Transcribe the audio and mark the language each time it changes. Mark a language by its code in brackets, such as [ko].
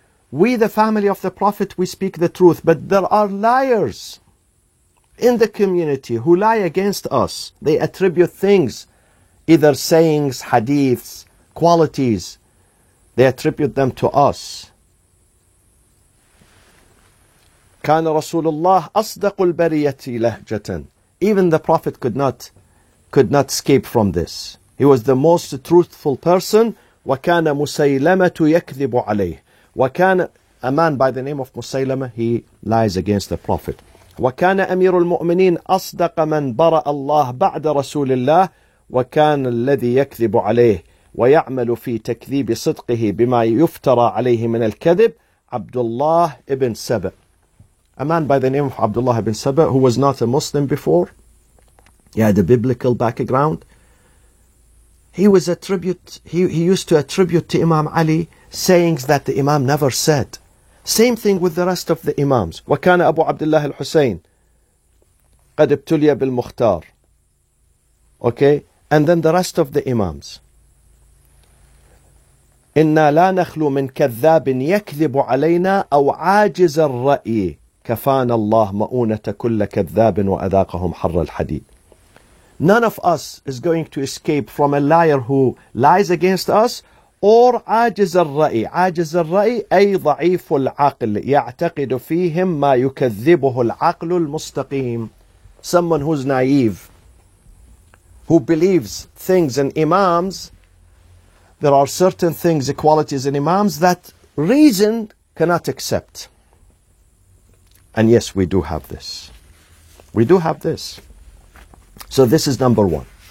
[en] We, the family of the Prophet, we speak the truth, but there are liars in the community who lie against us. They attribute things, either sayings, hadiths, qualities, they attribute them to us. [ar] كان رسول الله أصدق البرية لهجة. [en] Even the Prophet could not escape from this. He was the most truthful person [ar] وكان مسيلمة يكذب عليه وكان [en] a man by the name of [ar] مسيلمة [en] he lies against the prophet [ar] وكان أمير المؤمنين أصدق من برأ الله بعد رسول الله وكان الذي يكذب عليه ويعمل في تكذيب صدقه بما يفترى عليه من الكذب عبد الله ابن سبأ [en] A man by the name of Abdullah ibn Sabah, who was not a Muslim before, he had a biblical background. He used to attribute to Imam Ali sayings that the Imam never said. Same thing with the rest of the Imams. [ar] وكان أبو عبد الله الحسين قد ابتلي بالمختار. [en] Okay, and then the rest of the Imams. [ar] إنا لا نخلو من كذاب يكذب علينا أو عاجز الرأي. كفان الله مؤونة كل كذاب وأذاقهم حر الحديد. [en] None of us is going to escape from a liar who lies against us or [ar] عاجز الرأي. عاجز الرأي أي ضعيف العقل يعتقد فيهم ما يكذبه العقل المستقيم. [en] Someone who's naive, who believes things in imams, there are certain things, qualities in imams that reason cannot accept. And yes, we do have this. We do have this. So this is number one.